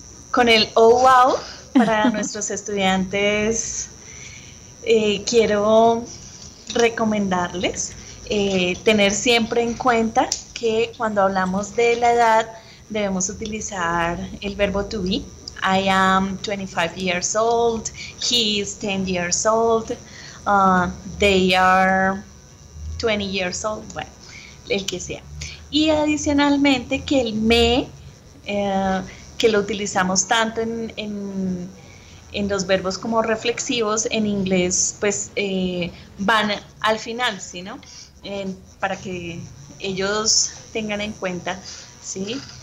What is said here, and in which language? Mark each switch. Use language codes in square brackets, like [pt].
[es] Con el Oh Wow para nuestros estudiantes, quiero recomendarles tener siempre en cuenta que cuando hablamos de la edad debemos utilizar el verbo to be. [en] I am 25 years old, he is 10 years old, they are 20 years old, [es] bueno, el que sea. Y adicionalmente que el me, que lo utilizamos tanto en los verbos como reflexivos en inglés, pues van al final, ¿sí, no? Para que ellos tengan en cuenta, ¿sí?